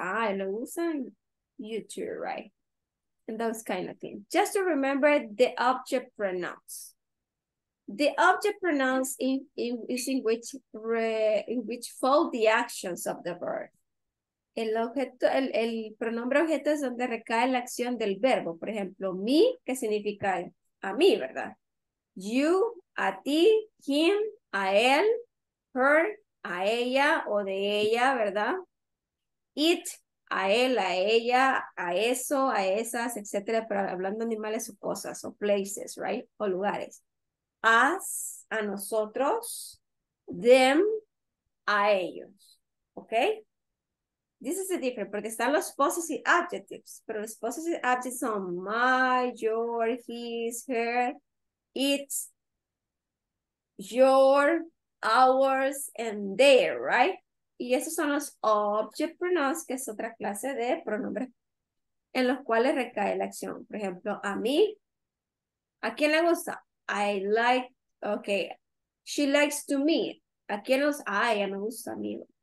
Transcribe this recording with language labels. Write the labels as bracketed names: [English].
[English] Ah, [Spanish] le gustan [English] you too, right? And those kind of things. Just to remember the object pronouns. The object pronoun is in which fall the actions of the verb. [Spanish] El pronombre objeto es donde recae la acción del verbo. Por ejemplo, me, que significa a mí, ¿verdad? You, a ti, him, a él, her, a ella o de ella, ¿verdad? It, a él, a ella, a eso, a esas, etc. Pero hablando de animales o cosas, o [English] places, right? [Spanish] O lugares. Us, a nosotros, them, a ellos. Okay? [English] This is the difference, [Spanish] porque están los [English] possessive adjectives. [Spanish] Pero los possessive adjectives son my, your, his, her, it's, your, ours, and their, right? Y esos son los object pronouns, que es otra clase de pronombres en los cuales recae la acción. Por ejemplo, a mí. ¿A quién le gusta? [English] I like, okay. She likes to meet. [Spanish] ¿A quién le gusta? Ay, me gusta a mí.